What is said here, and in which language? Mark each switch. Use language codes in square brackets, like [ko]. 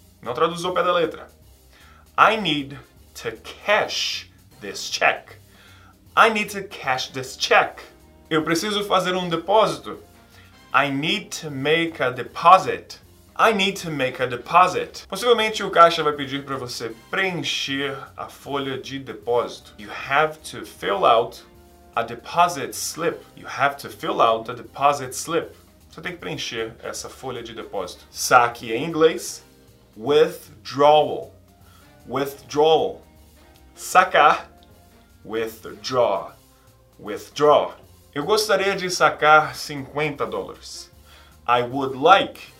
[pt] Não traduzou ao pé da letra. [en] I need to cash this check. I need to cash this check. [pt] Eu preciso fazer um depósito. [en] I need to make a deposit. I need to make a deposit. [pt] Possivelmente o caixa vai pedir para você preencher a folha de depósito. [en] You have to fill out a deposit slip. You have to fill out a deposit slip. [pt] Você tem que preencher essa folha de depósito. Saque em inglês. [en] Withdrawal. Withdrawal. [pt] Sacar. [en] Withdraw. Withdraw. [pt] Eu gostaria de sacar $50. [en] I would like.